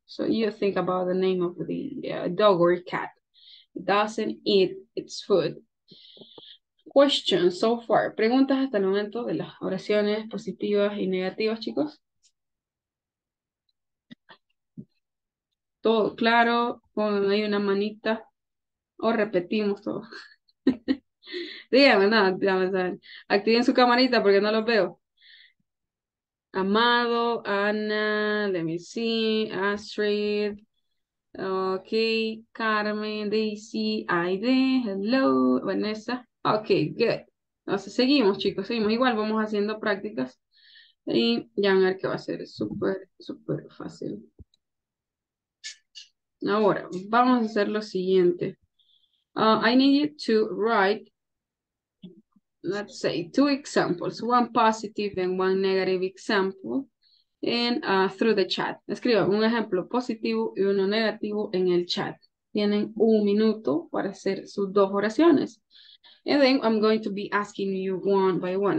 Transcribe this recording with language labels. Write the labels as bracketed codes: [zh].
[en] So you think about the name of the dog or cat. It doesn't eat its food. Question so far. [es] ¿Preguntas hasta el momento de las oraciones positivas y negativas, chicos? ¿Todo claro? ¿Pongan ahí una manita? ¿O repetimos todo? Díganme, no, díganme, ¿saben? Activen su camarita porque no los veo. [en] Amado, Ana, let me see, Astrid, ok, Carmen, Daisy, Aide, hello, Vanessa, ok, good. [es] Entonces seguimos, chicos, seguimos. Igual vamos haciendo prácticas y ya van a ver que va a ser súper, súper fácil. Ahora, vamos a hacer lo siguiente. [en] I need you to write, let's say, two examples, one positive and one negative example, and through the chat. [es] Escriban un ejemplo positivo y uno negativo en el chat. Tienen un minuto para hacer sus dos oraciones. [en] And then I'm going to be asking you one by one.